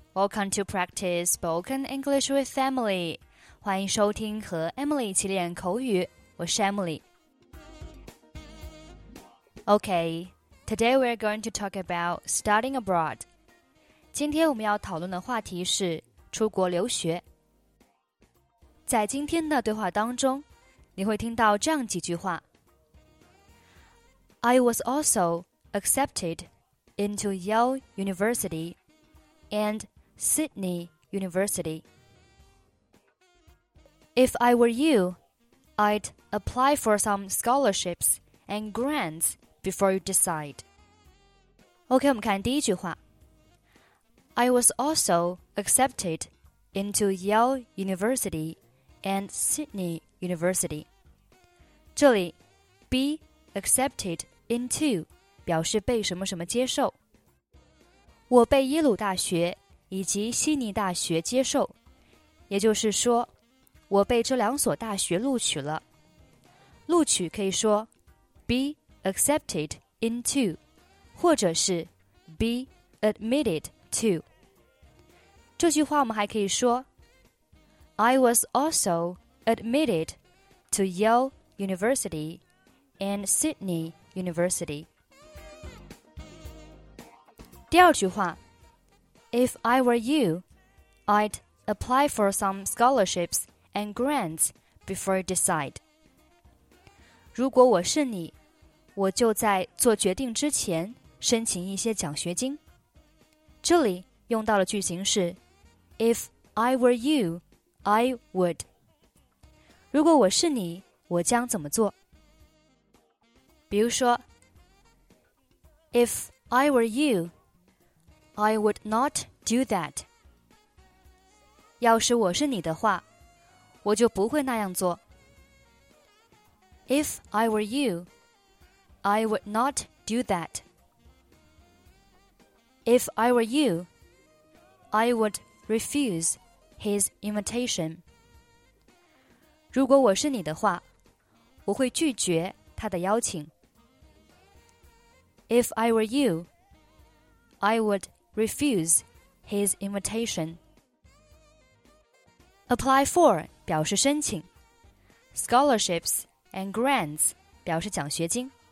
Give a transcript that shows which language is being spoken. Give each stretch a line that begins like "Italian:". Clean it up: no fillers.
English: Welcome to practice spoken English with Emily.
Chinese: 欢迎收听和 Emily 一起练口语。我是 Emily.
English: Okay, today we're going to talk about studying abroad.
Chinese: 今天我们要讨论的话题是出国留学。在今天的对话当中，你会听到这样几句话。
English: I was also accepted into Yale University and Sydney University. If I were you, I'd apply for some scholarships and grants before you decide.
Chinese: OK, 我们看第一句话。
English: I was also accepted into Yale University and Sydney University.
Chinese: 这里
English: be accepted into
Chinese: 表示被什么什么接受。我被耶鲁大学以及悉尼大学接受，也就是说，我被这两所大学录取了。录取可以说
English: be accepted into，
Chinese: 或者是
English: be admitted to。
Chinese: 这句话我们还可以说
English: ，I was also admitted to Yale University and Sydney University。
Chinese: 第二句话
English: ，If I were you, I'd apply for some scholarships and grants before you decide.
Chinese: 如果我是你，我就在做决定之前申请一些奖学金。这里用到了句型是
English: ，If I were you, I would.
Chinese: 如果我是你，我将怎么做？比如说
English: ，If I were you. I would not do that.
Chinese: 要是我是你的话，我就不会那样做。
English: If I were you, I would not do that. If I were you, I would refuse his invitation.
Chinese: 如果我是你的话，我会拒绝他的邀请。
English: If I were you, I would refuse his invitation. Apply for
Chinese: 表示申请
English: Scholarships and grants
Chinese: 表示奖学金